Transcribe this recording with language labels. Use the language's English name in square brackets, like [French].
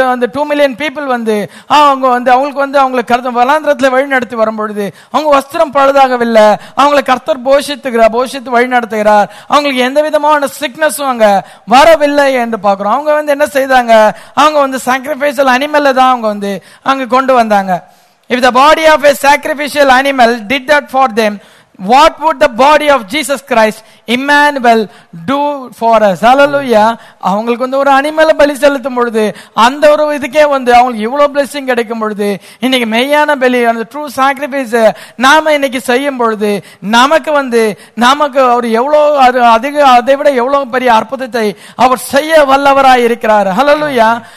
[Tamil] அந்த 2 million people வந்து அவங்க வந்து அவங்களுக்கு வந்து அவங்களுக்கு கர்த்தர் வலாந்திரத்தில் வழிநடத்தி வரும் பொழுது அவங்க வஸ்திரம் பழுதாகவில்லை, அவங்களை கர்த்தர் போஷித்துகிறார், போஷித்து வழிநடத்துகிறார், அவங்களுக்கு எந்த விதமான சிக்னஸ் வரவில்லை என்று பார்க்கிறோம். அவங்க வந்து என்ன செய்தாங்க, அவங்க வந்து சாக்ரிஃபைஷியல் அனிமல் தான் அவங்க வந்து அங்க கொண்டு வந்தாங்க. [English] If the body of a sacrificial animal did that for them, what would the body of Jesus Christ, Emmanuel, do for us? Hallelujah. [Tamil] அவங்களுக்கு வந்து ஒரு அனிமல் பலி செலுத்தும் பொழுது அந்த ஒரு இதுக்கே வந்து அவங்களுக்கு இவ்வளவு பிளஸிங் கிடைக்கும் பொழுது, இன்னைக்கு மெய்யான பலி அந்த ட்ரூ சாக்ரிஃபைஸ் நாம இன்னைக்கு செய்யும் பொழுது நமக்கு வந்து நமக்கு அவர் எவ்வளவு அதிக அதை விட எவ்வளவு பெரிய அற்புதத்தை அவர் செய்ய வல்லவராய் இருக்கிறார். ஹலலுயா.